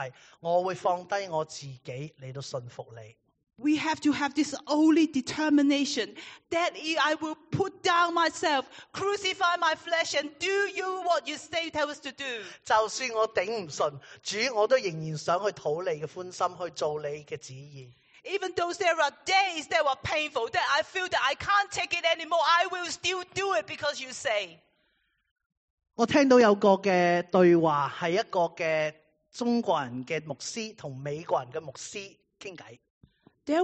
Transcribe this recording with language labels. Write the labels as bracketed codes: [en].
[zh] 我们需要在神面前有个决心，就是我会放低我自己来信服你。 [en] We have to have this holy determination that I will put down myself, crucify my flesh, and do you what you say tell us to do. [zh] 就算我顶不顺，主，我都仍然想去讨你的欢心，去做你的旨意。 [en] Even though there are days that were painful, that I feel that I can't take it anymore, I will still do it because you say. [zh] 我听到有个对话，是一个中国人的牧师和美国人的牧师聊天。There